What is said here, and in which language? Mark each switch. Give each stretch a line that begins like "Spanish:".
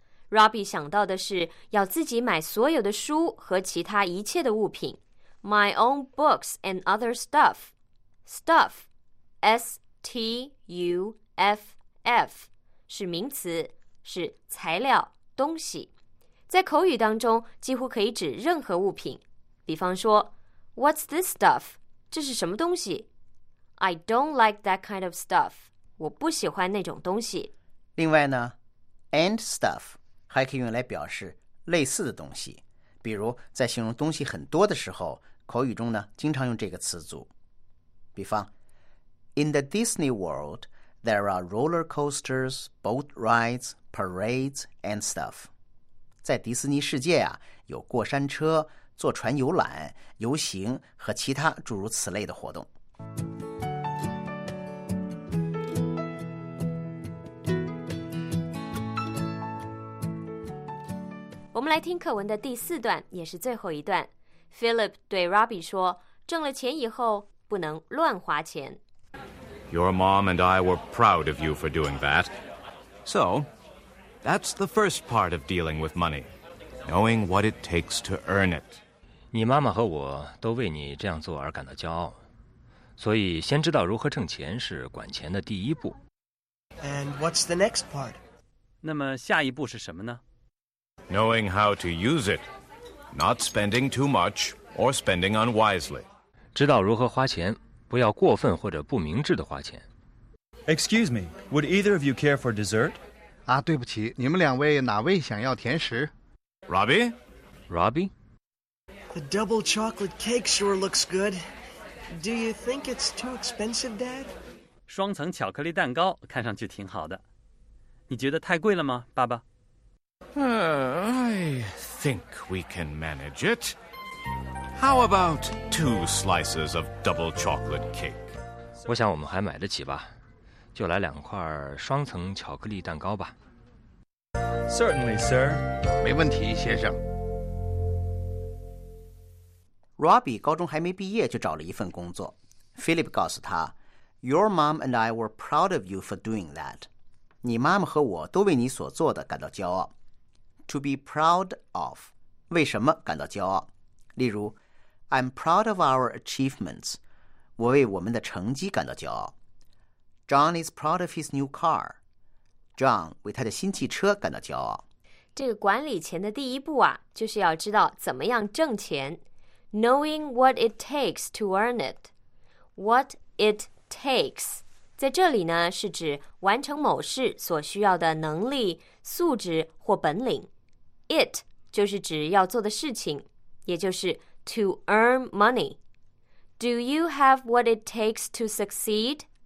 Chinese: Robbie 想到的是要自己买所有的书和其他一切的物品，
English: My own books and other stuff.
Chinese: Stuff, S-T-U-F-F, 是名词，是材料、东西，在口语当中几乎可以指任何物品。比方说
English: What's this stuff?
Chinese: 这是什么东西？
English: I don't like that kind of stuff.
Chinese: 我不喜欢那种东西。另外呢
English: And stuff
Chinese: 还可以用来表示类似的东西，比如在形容东西很多的时候，口语中呢经常用这个词组。比方
English: In the Disney World, there are roller coasters, boat rides, parades, and stuff.
Chinese: 在迪士尼世界啊，有过山车、坐船游览、游行和其他诸如此类的活动。我们来听课文的第四段，也是最后一段。Philip 对 Robbie 说，挣了钱以后不能乱花钱。
English: Your mom and I were proud of you for doing that. So, that's the first part of dealing with money. Knowing what it takes to earn it.
Chinese: 你妈妈和我都为你这样做而感到骄傲，所以先知道如何挣钱是管钱的第一步。
English: And what's the next part?
Chinese: 那么下一步是什么呢？
English: Knowing how to use it, not spending too much or spending unwisely.
Chinese: 知道如何花钱，不要过分或者不明智的花钱。
English: Excuse me, would either of you care for dessert?
Chinese: 啊，对不起，你们两位哪位想要甜食？Robbie, Robbie.
English: The double chocolate cake sure looks good. Do you think it's too expensive, Dad?
Chinese: 双层巧克力蛋糕看上去挺好的，你觉得太贵了吗，爸爸？
English: I think we can manage it. How about two slices of double chocolate cake?
Chinese: 我想我们还买得起吧，就来两块双层巧克力蛋糕吧。
English: Certainly, sir.
Chinese: 没问题，先生。 Robbie 高中还没毕业就找了一份工作。
English: Philip
Chinese: 告诉他
English: ，Your mom and I were proud of you for doing that.
Chinese: 你妈妈和我都为你所做的感到骄傲。
English: To be proud of,
Chinese: 为什么感到骄傲？例如
English: ，I'm proud of our achievements.
Chinese: 我为我们的成绩感到骄傲。
English: John is proud of his new car.
Chinese: John 为他的新汽车感到骄傲。这个管理钱的第一步啊，就是要知道怎么样挣钱。
English: Knowing what it takes to earn it. What it takes
Chinese: 在这里呢，是指完成某事所需要的能力、素质或本领。 It 就是指要做的事情，也就是
English: to earn money. Do you have what it takes to succeed?